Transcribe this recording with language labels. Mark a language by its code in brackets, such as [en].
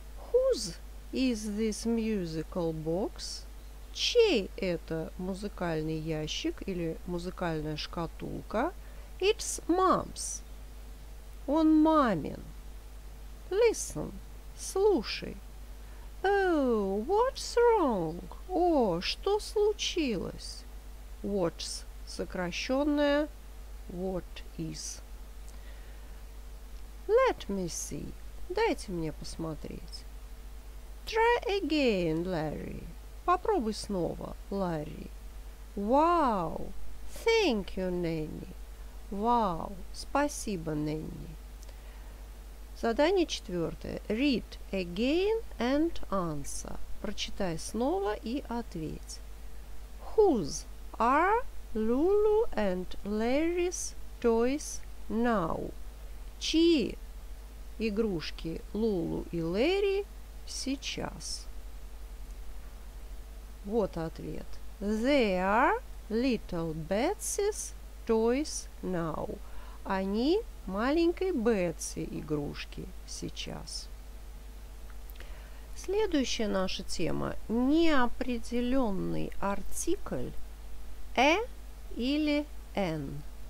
[en] Whose is this musical box? [ru] Чей это музыкальный ящик или музыкальная шкатулка? [en] It's mom's. [ru] Он мамин. [en] Listen. [ru] Слушай. [en] Oh, what's wrong? [ru] О, что случилось? [en] What's [ru] сокращенное [en] what is. Let me see. [ru] Дайте мне посмотреть. [en] Try again, Larry. [ru] Попробуй снова, Ларри. [en] Wow! Thank you, Nanny. Wow! [ru] Спасибо, Nanny. Задание четвертое. [en] Read again and answer. [ru] Прочитай снова и ответь. [en] Whose are Lulu and Larry's toys now? [ru] Чьи игрушки Лулу и Лэри сейчас? Вот ответ. [en] They are little Betsy's toys now. [ru] Они маленькой Бетси игрушки сейчас. Следующая наша тема. Неопределенный артикль a или an.